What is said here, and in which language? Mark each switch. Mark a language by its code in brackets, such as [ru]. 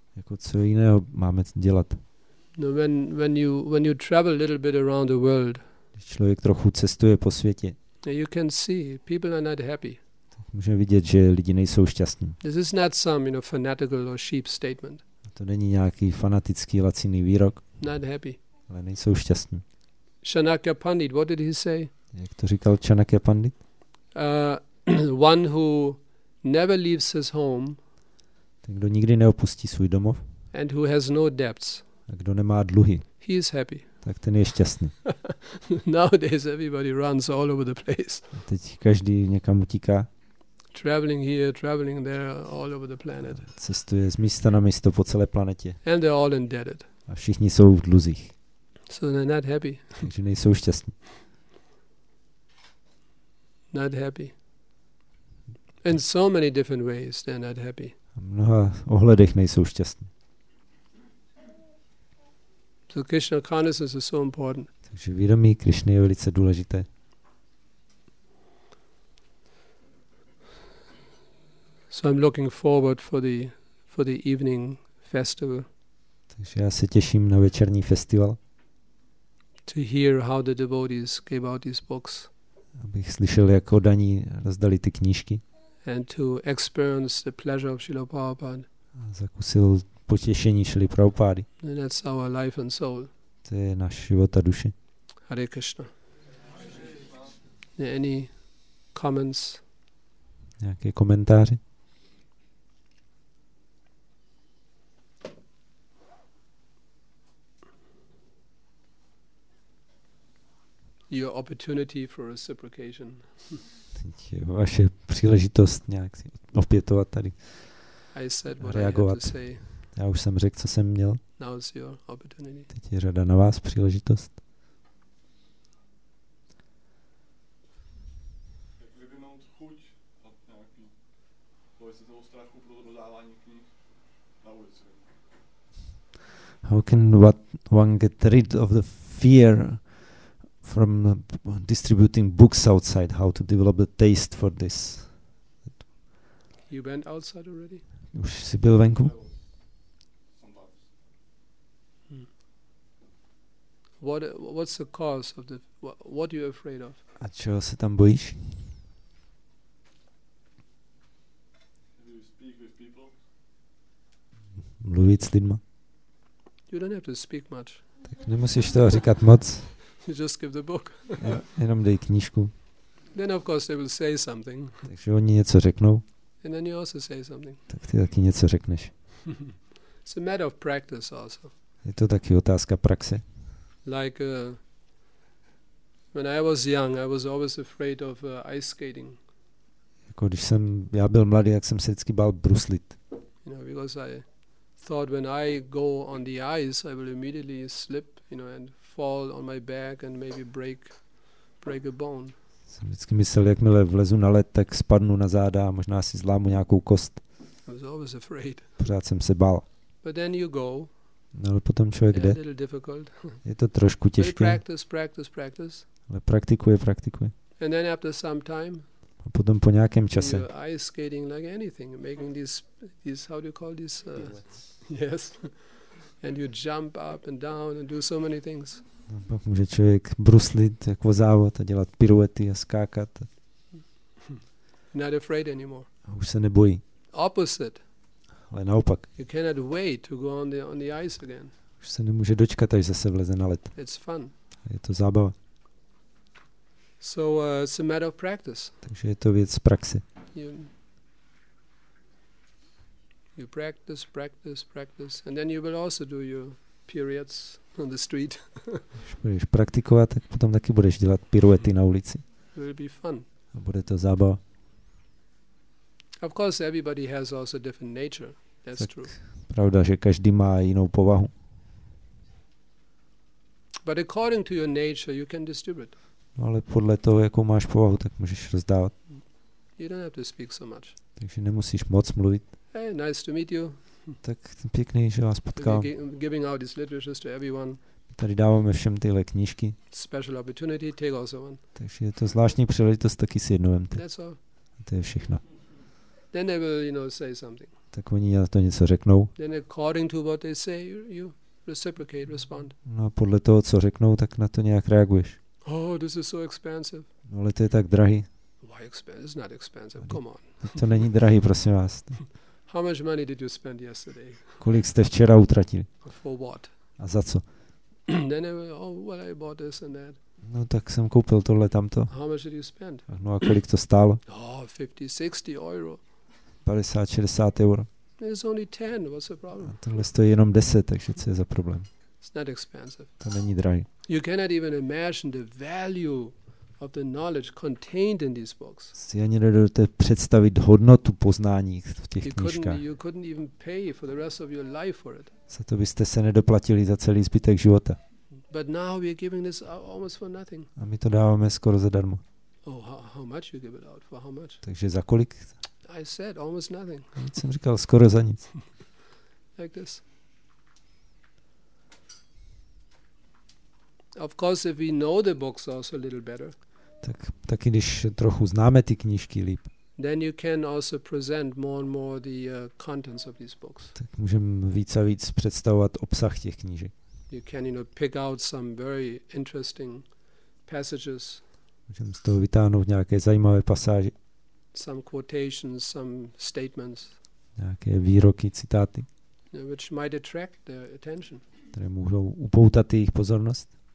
[cs] Jako co jiného máme dělat? [en] No, when you travel a little bit around the world, [cs] když člověk trochu cestuje po světě, [en] you can see people are not happy. [cs] Tak můžeme vidět, že lidi nejsou šťastní. [en] This is not some, you know, fanatical or sheep statement. [cs] To není nějaký fanatický laciný výrok. [en] Not happy. [cs] Ale nejsou šťastní. [en] Chanakya Pandit, what did he say? [cs] Jak to říkal Chanakya Pandit? [en] One who never leaves his home. [cs] Ten, kdo nikdy neopustí svůj domov. [en] And who has no debts. [cs] A kdo nemá dluhy. [en] He is happy. [cs] Tak ten je šťastný. [en] Nowadays everybody runs all over the place. [cs] A teď každý někam utíká. [en] Traveling here, traveling there, all over the planet. [cs] A cestuje z místa na místo po celé planetě. [en] And they're all indebted. [cs] A všichni jsou v dluzích. [en] So they're not happy. [cs] Takže nejsou šťastní. [en] Not happy. In so many different ways they're not happy. [cs] V mnoha ohledech nejsou šťastní. [en] So Krishna consciousness is so important. [cs] Takže vědomí Krishna je velice důležité. [en] So I'm looking forward for the evening festival. [cs] Takže já se těším na večerní festival. [en] To hear how the devotees gave out these books. [cs] Abych slyšel, jak oddaní rozdali ty knížky. [en] And to experience the pleasure of Srila Prabhupada. [cs] A zakusil potěšení Srila Prabhupády. [en] And that's our life and soul. [cs] To je náš život a duše. [en] Hare Krishna. Any comments? [cs] Nějaké komentáře? [en] Your opportunity for reciprocation. [cs] Vaše příležitost nějak si opětovat tady. [en] I said what reagovat. I had to say. [cs] Já už jsem řekl, co jsem měl. [en] Now is your opportunity. [cs] Teď je řada na vás příležitost. Jak vyvinout chuť od nějaký pověstit toho strachu pro rozdávání knih na ulici. [en] How can what one get rid of the fear from distributing books outside, how to develop the taste for this. You went outside already? [cs] Už jsi byl venku? [en] What's the cause of the, what are you afraid of? [cs] A čeho se tam bojíš? [en] You speak with people? [cs] Mluvit s lidma? [en] You don't have to speak much. [cs] Tak nemusíš toho říkat moc. [en] You just give the book. [cs] Jenom dej knížku. [en] Then of course they will say something. [cs] Takže oni něco řeknou. [en] And then you also say something. [cs] Tak ty taky něco řekneš. [en] It's a matter of practice also. [cs] Je to taky otázka praxe. [en] Like when I was young, I was always afraid of ice skating. [cs] Jako když jsem já byl mladý, tak jsem se vždycky bál bruslit. [en] You know, because I thought when I go on the ice, I will immediately slip, you know, and fall on my back and maybe break a bone. [cs] Jsem vždycky myslel, jakmile vlezu na led, tak spadnu na záda a možná si zlámu nějakou kost. [en] I was always afraid. [cs] Pořád jsem se bál. [en] But then you go. [cs] No, ale potom člověk jde. [en] A little difficult. [cs] Je to trošku těžké. [en] But practice. [cs] Ale praktikuje. [en] And then after some time. [cs] A potom po nějakém čase. [en] You're ice skating like anything, making these how do you call this? Yes. And you jump up and down and do so many things. [cs] No, pak může člověk bruslit jako závod a dělat piruety a skákat. [en] Not afraid anymore. [cs] A už se nebojí. [en] Opposite. [cs] Ale naopak. [en] You cannot wait to go on the ice again. [cs] Už se nemůže dočkat, až zase vleze na led. [en] It's fun. [cs] A je to zábava. [en] So it's a matter of practice. [cs] Takže je to věc z praxe. [en] You practice, and then you will also do your periods on the street. [cs] Budeš praktikovat, tak potom taky budeš dělat piruety na ulici. [en] It will be fun. [cs] A bude to zábava. [en] Of course, everybody has also different nature. That's [cs] tak [en] true. [cs] Pravda, že každý má jinou povahu. [en] But according to your nature, you can distribute. [cs] No, ale podle toho, jakou máš povahu, tak můžeš rozdávat. [en] You don't have to speak so much. [cs] Takže nemusíš moc mluvit. [en] Hey, nice to meet you. [cs] Tak pěkný, že vás potkal. [en] Giving out these literatures to everyone. [cs] Tady dáváme všem tyhle knížky. [en] Special opportunity, take also one. [cs] Takže je to zvláštní příležitost, taky si jednu vemte. [en] That's all. [cs] A to je všechno. [en] Then they will, you know, say something. [cs] Tak oni na to něco řeknou. [en] Then according to what they say, you reciprocate, respond. [cs] No a podle toho, co řeknou, tak na to nějak reaguješ. [en] Oh, this is so expensive. [cs] No ale to je tak drahý. [en] Why expensive? It's not expensive, come on. [cs] To není drahý, prosím vás. [en] How much money did you spend yesterday? [cs] Kolik jste včera utratili? [en] For what? [cs] A za co? [en] Then I bought this and that. [cs] No tak jsem koupil tohle tamto. [en] How much did you spend? [cs] No a kolik to stálo? [en] Oh, 50-60 euro. [cs] 50-60 euro. [en] It's only 10, what's the problem? [cs] A tohle stojí jenom 10, takže co je za problém? [en] It's not expensive. [cs] To není drahý. [en] You cannot even imagine the value of the knowledge contained in these books. [cs] Si ani nedovedete představit hodnotu poznání v těch knížkách. [en] You couldn't even pay for the rest of your life for it. [cs] Za to byste se nedoplatili za celý zbytek života. [en] But now we're giving this almost for nothing. [cs] A my to dáváme skoro zadarmo. [en] Oh, how much you give it out for how much? [cs] Takže za kolik? [en] I said almost nothing. [cs] Nic jsem říkal, skoro za nic. [en] Like this. Of course, if we know the books also a little better. [cs] Tak taky když trochu známe ty knížky líp. [en] Then you can also present more and more the contents of these books. [cs] Tak můžeme víc a víc představovat obsah těch knížek. [en] You can, you know, pick out some very interesting passages. [cs] Můžeme z toho vytáhnout nějaké zajímavé pasáže. [en] Some quotations, some statements. [cs] Nějaké výroky, citáty. [en] Which might attract their attention. [cs] Které můžou upoutat jejich pozornost.